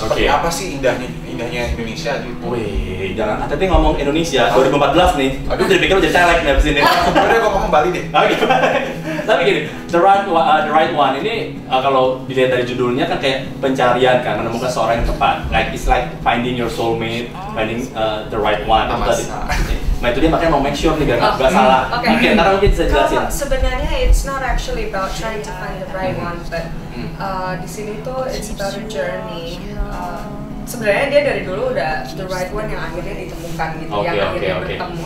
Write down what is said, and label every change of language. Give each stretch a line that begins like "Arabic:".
Indonesian: Seperti apa sih indahnya Indonesia gitu. Wih, jangan hati-hati ngomong Indonesia 2014 nih. Aduh, jadi pikir lo jadi caleg nih abis ini. Udah gue ngomong Bali deh. Oke. Tapi gini,
English: the right one
Indonesian: ini kalau dilihat dari judulnya kan kayak pencarian kan, menemukan seorang yang tepat.
English: Like it's like finding your soulmate, finding the right one.
Indonesian: Tadi. Nah itu dia makanya mau make sure nih gak salah. Okay. Mungkin ntar mungkin bisa jelasin. Sebenarnya
English: it's not actually about trying to find the right one, but
Indonesian: di sini tuh
English: it's about a journey.
Indonesian: Sebenarnya dia dari dulu udah
English: the right one
Indonesian: yang akhirnya ditemukan gitu, bertemu.